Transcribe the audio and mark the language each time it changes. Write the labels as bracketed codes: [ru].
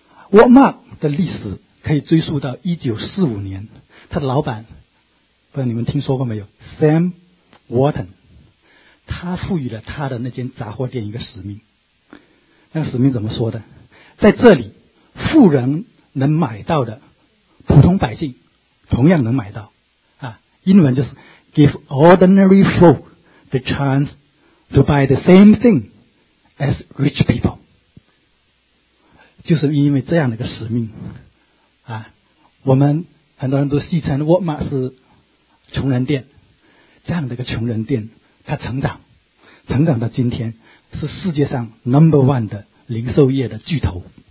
[zh] 沃尔玛的历史可以追溯到1945年，他的老板，不知道你们听说过没有 ,Sam Walton, 他赋予了他的那间杂货店一个使命。那个使命怎么说的？在这里，富人能买到的，普通百姓同样能买到。啊，英文就是 , [en] give ordinary folk the chance to buy the same thing as rich people. [zh] 就是因为这样的一个使命啊，我们很多人都戏称沃尔玛是穷人店，这样的一个穷人店它成长到今天是世界上 number one 的零售业的巨头。